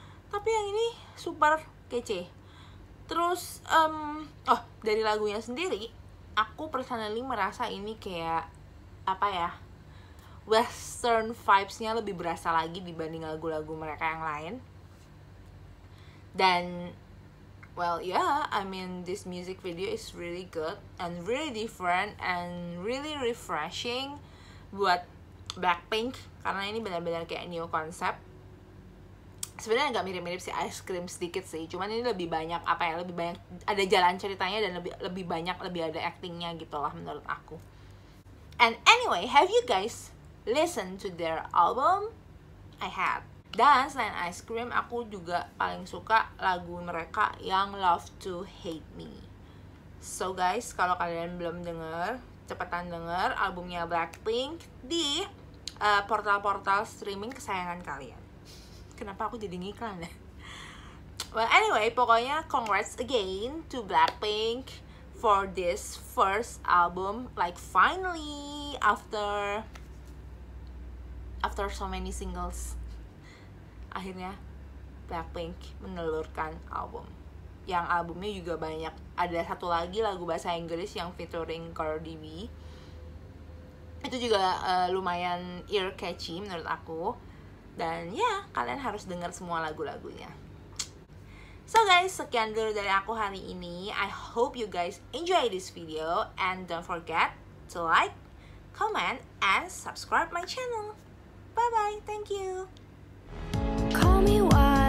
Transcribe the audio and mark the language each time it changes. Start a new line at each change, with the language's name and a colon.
Indonesian: Tapi yang ini super kece. Terus dari lagunya sendiri aku
English: personally
Indonesian: merasa ini kayak apa ya, western vibesnya lebih berasa lagi dibanding lagu-lagu mereka yang lain.
English: Dan well, yeah, I mean, this music video is really good and really different and really refreshing
Indonesian: buat Blackpink karena ini benar-benar kayak
English: new concept.
Indonesian: Sebenarnya agak mirip-mirip si Ice Cream sedikit sih, cuman ini lebih banyak apa ya, lebih banyak ada jalan ceritanya dan lebih ada actingnya gitulah menurut aku.
English: And anyway, have you guys listened to their album? I have.
Indonesian: Dan selain Ice Cream, aku juga paling suka lagu mereka yang Love to Hate Me.
English: So guys,
Indonesian: kalau kalian belum denger, cepetan denger albumnya Blackpink di portal-portal streaming kesayangan kalian. Kenapa aku jadi ngiklan ya?
English: Well anyway,
Indonesian: pokoknya
English: congrats again to Blackpink for this first album. Like finally, after so many singles,
Indonesian: akhirnya Blackpink menelurkan album. Yang albumnya juga banyak. Ada satu lagi lagu bahasa Inggris yang featuring Cardi B. Itu juga lumayan
English: ear catchy
Indonesian: menurut aku. Dan ya, kalian harus dengar semua lagu-lagunya.
English: So guys,
Indonesian: sekian dulu dari aku hari ini.
English: I hope you guys enjoy this video. And don't forget to like, comment, and subscribe my channel. Bye-bye, thank you. Call me why.